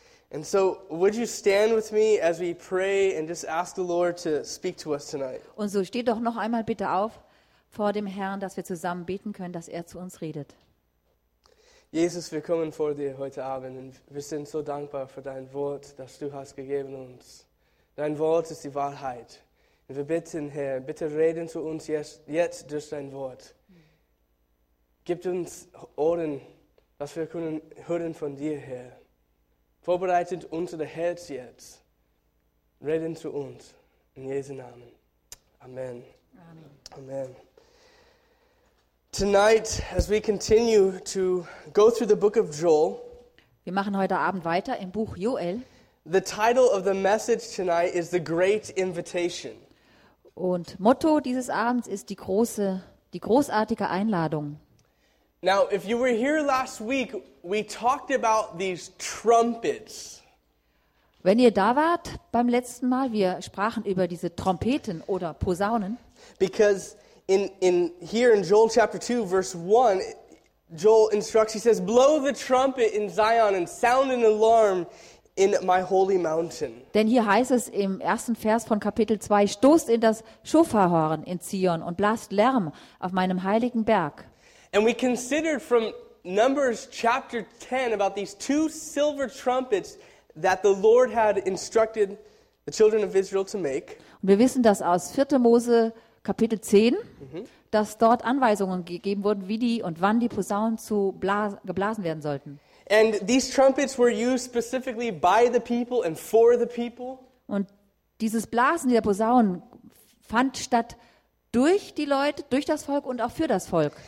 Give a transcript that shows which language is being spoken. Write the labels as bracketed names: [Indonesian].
[English] And so, would you stand with me as we pray and just ask the Lord to speak to us tonight? [German] Und so steht doch noch einmal bitte auf vor dem Herrn, dass wir zusammen beten können, dass er zu uns redet. Jesus, wir kommen vor dir heute Abend und wir sind so dankbar für dein Wort, das du hast gegeben uns. Dein Wort ist die Wahrheit. Und wir bitten, Herr, bitte reden zu uns jetzt durch dein Wort. Gib uns Ohren, dass wir können hören von dir, Herr. Vorbereitet unser Herz jetzt. Reden zu uns. In Jesu Namen. Amen. Amen. Amen. [English] Tonight, as we continue to go through the book of Joel, [German] wir machen heute Abend weiter im Buch Joel. [English] The title of the message tonight is the Great Invitation. [German] Und Motto dieses Abends ist die großartige Einladung. [English] Now, if you were here last week, we talked about these trumpets. [German] Wenn ihr da wart beim letzten Mal, wir sprachen über diese Trompeten oder Posaunen. [English] Because in Joel chapter 2 verse 1, Joel instructs, he says, blow the trumpet in Zion and sound an alarm in my holy mountain. [German] Denn hier heißt es im ersten Vers von Kapitel 2, stoßt in das Schofarhorn in Zion und blast Lärm auf meinem heiligen Berg. [English] And we considered from Numbers chapter 10 about these two silver trumpets that the Lord had instructed the children of Israel to make. [German] Und wir wissen, dass aus 4. Mose Kapitel 10, dass dort Anweisungen gegeben wurden, wie die und wann die Posaunen zu geblasen werden sollten. [English] And these trumpets were used specifically by the people and for the people. [German] Und dieses Blasen der Posaunen fand statt durch die Leute, durch das Volk und auch für das Volk.